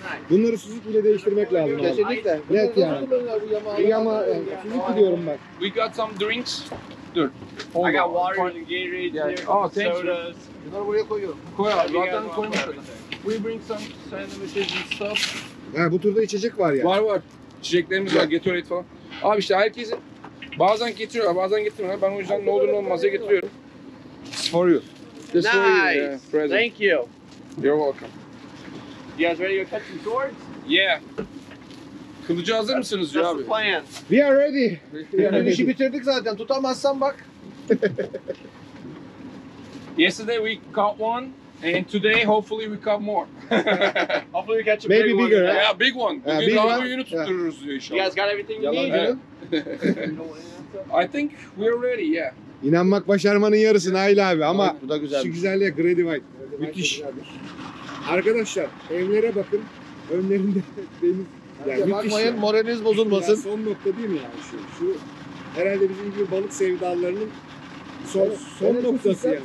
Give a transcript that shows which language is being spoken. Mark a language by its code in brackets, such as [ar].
[tr] Bunları Suzuki ile değiştirmek lazım. Kesinlikle. Net yani. Suzuki diyorum ben. [en] We got some drinks. [tr] Dur. [en] I got water, Gatorade, sodas. [tr] Bunları buraya koyuyorum. Koy abi, zaten koymuşlar. [en] We bring some sandwiches and stuff. [tr] Ya bu turda içecek var yani. Var var. İçeceklerimiz var, Gatorade falan. Abi işte herkesi bazen getiriyorlar, bazen getirmiyorlar. Ben o yüzden ne olur ne olmaz diye getiriyorum. [en] It's for you. This nice. Way, thank you. You're welcome. You guys ready to catch some swords? Yeah. [tr] Kılıcı hazır mısınız diyor abi? [en] That's the plan. We are ready. [tr] Yani işi bitirdik zaten. Tutamazsan bak. [en] Yesterday we caught one. And today, hopefully we caught more. Hopefully we catch a maybe big one. Yeah, big one. [tr] Bugün daha büyüğünü tuttururuz diyor inşallah. [en] You guys got everything you need, huh? I think we're ready, yeah. [tr] İnanmak başarmanın yarısı Nail abi ama bu da güzel. Şu güzelliğe Grady White. Müthiş. Arkadaşlar, evlere bakın. Önlerinde deniz. Yani bakmayın, ya. Moraliniz bozulmasın. Ya son nokta değil mi yani şu? Şu herhalde bizim gibi balık sevdalarının son noktası yani.